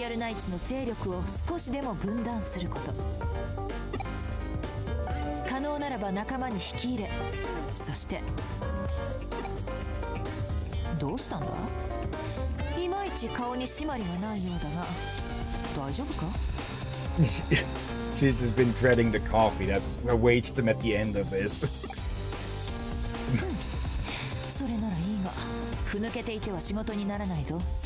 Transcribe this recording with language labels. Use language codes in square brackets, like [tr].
[ja] 上野の反応は眼空。エデン内からはスレイプモンの反応を検出できた。今反応があるロイヤルナイツはこのくらいだ。残りの連中はおそらく意図的に反応を消しているのだろう。さて、次にやるべきことは分かっているな。うん。我々がやるべきことはロイヤルナイツの勢力を少しでも分断すること。可能ならば仲間に引き入れ、そしてどうしたんだ？いまいち顔に締まりがないようだが、大丈夫か？ [en] She's just been dreading the coffee that awaits them at the end of this. [ja] それならいいが、ふぬけていては仕事にならないぞ。